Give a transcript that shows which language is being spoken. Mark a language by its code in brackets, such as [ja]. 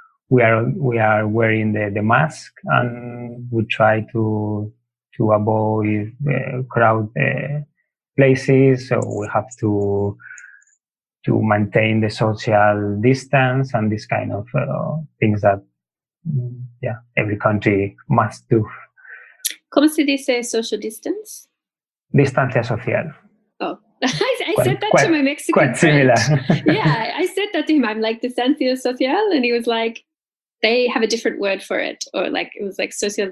[en] We are wearing the mask, and we try to avoid crowd places. So we have to maintain the social distance and this kind of things that yeah, every country must do. [es] ¿Cómo se dice [en] social distance? [es] Distancia social. [en] Oh, I said that to my Mexican friend. Quite similar. Yeah, I said that to him. I'm like, [es] distancia social, [en] and he was like, they have a different word for it, or like it was like social.